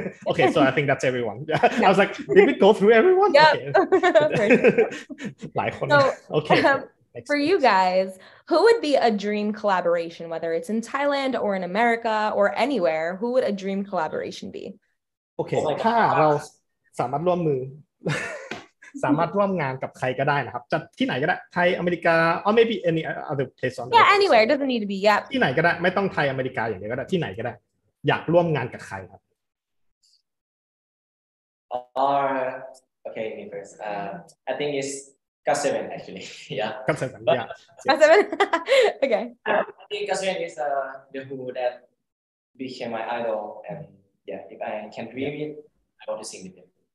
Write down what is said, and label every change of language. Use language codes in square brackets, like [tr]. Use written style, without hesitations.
[en] Okay, so I think that's everyone. Yeah. I was like, did we go through everyone? Yeah. Okay. So, okay. for you guys, who would be a dream collaboration, whether it's in Thailand or in America or anywhere, who would a dream collaboration be? [th] Okay, ถ้าเราสามารถร่วมมือสามารถร่วมงานกับใครก็ได้นะครับจะที่ไหนก็ได้ไทยอเมริกา [en] or maybe any other place on the yeah anywhere doesn't need to be yep [th] ที่ไหนก็ได้ไม่ต้องไทยอเมริกาอย่างเดียวก็ได้ที่ไหนก็ได้อยากร่วมงานกับใครครับ [en] or okay me first I think it's Gasman actually yeah Gasman yeah Gasman okay Gasman is the who that became my idol and yeah if I can dream it I want to sing with him